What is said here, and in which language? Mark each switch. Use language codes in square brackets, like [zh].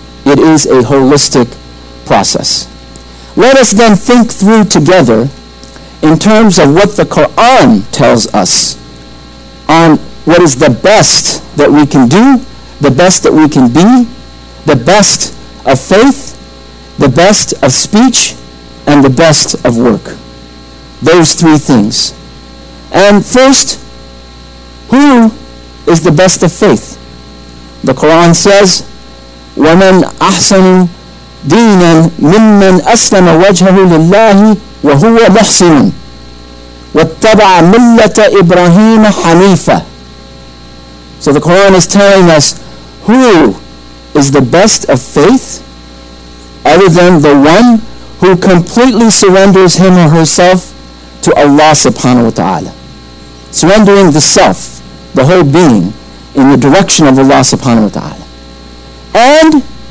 [en] It is a holistic process. Let us then think through together in terms of what the Quran tells us on what is the best that we can do, the best that we can be, the best of faith, the best of speech, and the best of work. Those three things. And first, who is the best of faith? The Quran says, [ar] وَمَنْ أَحْسَنُ دِينًا مِمَّنْ أَسْلَمَ وَجْهَهُ لِلَّهِ وَهُوَ مُحْسِنٌ وَاتَّبَعَ مِلَّةَ إِبْرَاهِيمَ حَنِيفًا. [en] So the Quran is telling us, who is the best of faith other than the one who completely surrenders him or herself to Allah subhanahu wa ta'ala. Surrendering the self, the whole being, in the direction of Allah subhanahu wa ta'ala. And